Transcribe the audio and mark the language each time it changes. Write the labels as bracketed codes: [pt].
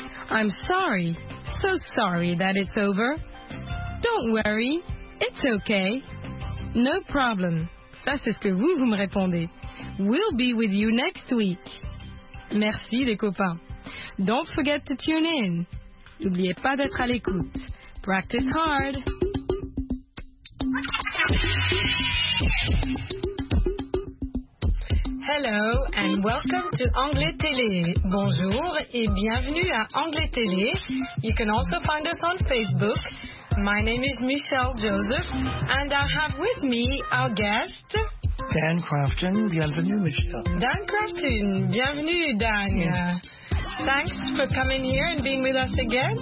[en] I'm sorry. So sorry that it's over. Don't worry. It's okay. No problem. [fr] Ça, c'est ce que vous, vous me répondez. [en] We'll be with you next week. [fr] Merci, les copains. [en] Don't forget to tune in. [fr] N'oubliez pas d'être à l'écoute. [en] Practice hard. Hello and welcome to Anglais Télé. [fr] Bonjour et bienvenue à Anglais Télé. [en] You can also find us on Facebook. My name is Michelle Joseph and I have with me our guest... [fr] Dan Crafton. Bienvenue, Michelle. Dan Crafton. Bienvenue, Dan. Yes. [en] Thanks for coming here and being with us again.